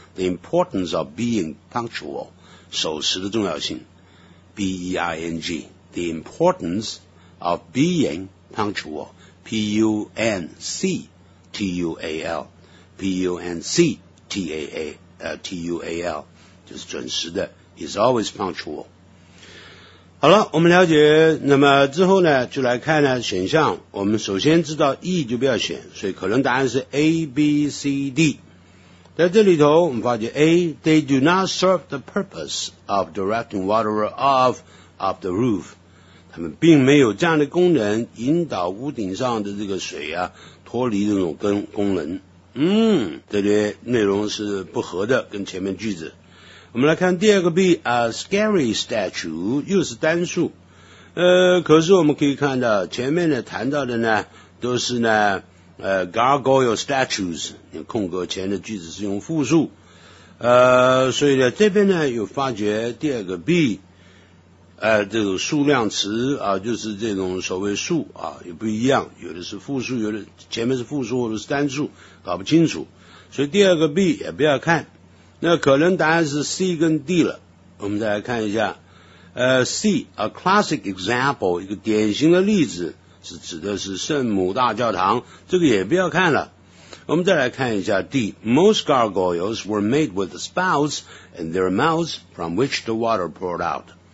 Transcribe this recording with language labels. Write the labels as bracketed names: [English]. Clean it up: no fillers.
[English] The importance of being punctual， [Chinese] 守时的重要性， [English] B-E-I-N-G， The importanceof being punctual， P-U-N-C-T-U-A-L， P-U-N-C-T-U-A-L， [Chinese] 就是准时的， [English] is always punctual。 [Chinese] 好了，我们了解，那么之后呢就来看呢选项，我们首先知道 E 就不要选，所以可能答案是 ABCD。在这里头我们发觉 [English] A, they do not serve the purpose of directing water off of the roof. [Chinese] 他们并没有这样的功能，引导屋顶上的这个水啊脱离这种功能。嗯，这些内容是不合的，跟前面句子。我们来看第二个 B, [English] a scary statue, [Chinese] 又是单数。可是我们可以看到前面呢谈到的呢都是呢 [English] gargoyle statues, [Chinese] 空格前的句子是用复数。所以呢这边呢有发觉第二个 B, 这个数量词啊就是这种所谓数啊也不一样，有的是复数，有的前面是复数或者是单数，搞不清楚。所以第二个 B 也不要看。那可能答案是 C 跟 D 了。我们再来看一下。C, [English] a classic example, [Chinese] 一个典型的例子。是指的是圣母大教堂，这个也不要看了。我们再来看一下 [English] D, most gargoyles were made with spouts in their mouths from which the water poured out.